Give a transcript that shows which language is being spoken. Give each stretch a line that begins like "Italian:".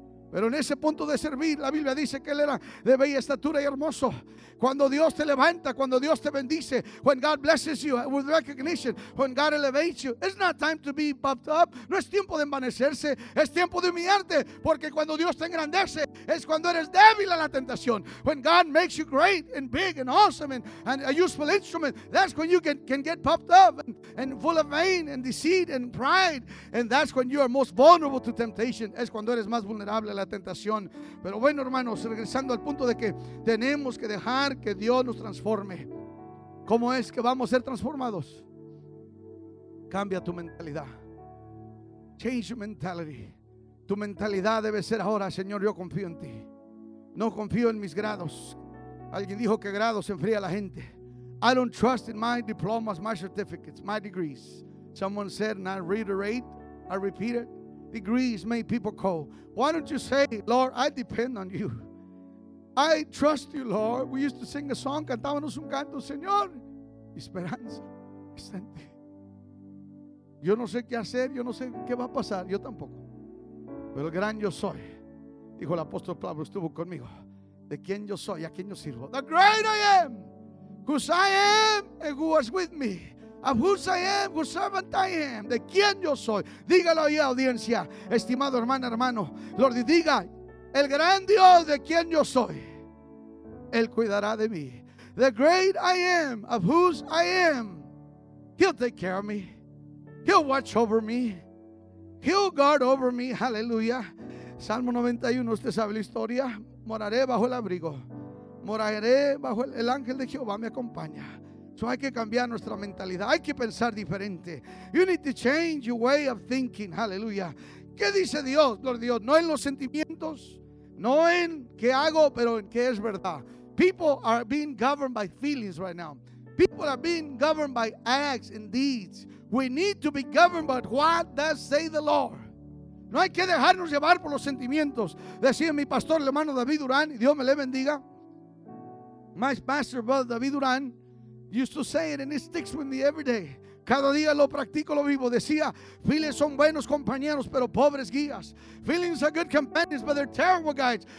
Spanish: Pero en ese punto de servir, la Biblia dice que él era de bella estatura y hermoso. Cuando Dios te levanta, cuando Dios te bendice,
English: when God blesses you with recognition, when God elevates you, it's not time to be puffed up.
Spanish: No es tiempo de envanecerse, es tiempo de humillarte. Porque cuando Dios te engrandece, es cuando eres débil a la tentación.
English: When God makes you great and big and awesome and a useful instrument, that's when you can get puffed up and full of vain and deceit and pride. And that's when you are most vulnerable to temptation.
Spanish: Es cuando eres más vulnerable la tentación. Pero bueno, hermanos, regresando al punto de que tenemos que dejar que Dios nos transforme. ¿Cómo es que vamos a ser transformados? Cambia tu mentalidad.
English: Change your mentality.
Spanish: Tu mentalidad debe ser ahora: Señor, yo confío en ti, no confío en mis grados. Alguien dijo que grados enfría a la gente.
English: I don't trust in my diplomas, my certificates, my degrees. Someone said, and I reiterate, I repeat it, degrees make people cold. Why don't you say, Lord, I depend on you. I trust you, Lord. We used to sing a song,
Spanish: cantábamos un canto, Señor, esperanza está en ti. Yo no sé qué hacer, yo no sé qué va a pasar, yo tampoco. Pero el gran yo soy, dijo el apóstol Pablo, estuvo conmigo. ¿De quién yo soy? ¿A quién yo sirvo?
English: The great I am, whose I am and who was with me. Of whose I am, whose servant I am.
Spanish: De quién yo soy. Dígalo ahí, audiencia. Estimado hermano, hermano. Lord, diga: el gran Dios de quien yo soy, Él cuidará de mí.
English: The great I am, of whose I am, He'll take care of me. He'll watch over me. He'll guard over me. Hallelujah.
Spanish: Salmo 91, usted sabe la historia. Moraré bajo el abrigo. Moraré bajo el ángel de Jehová, me acompaña. So hay que cambiar nuestra mentalidad. Hay que pensar diferente.
English: You need to change your way of thinking.
Spanish: Hallelujah. ¿Qué dice Dios? Lord, Dios, no en los sentimientos, no en qué hago, pero en qué es verdad.
English: People are being governed by feelings right now. People are being governed by acts and deeds. We need to be governed by what does say the Lord.
Spanish: No hay que dejarnos llevar por los sentimientos. Decía mi pastor, el hermano David Durán, y Dios me le bendiga.
English: My pastor, brother David Durán, used to say it and it sticks with me every day.
Spanish: Cada día lo practico, lo vivo. Decía, feelings son buenos compañeros, pero pobres guías.
English: Feelings are good companions, but they're terrible guides.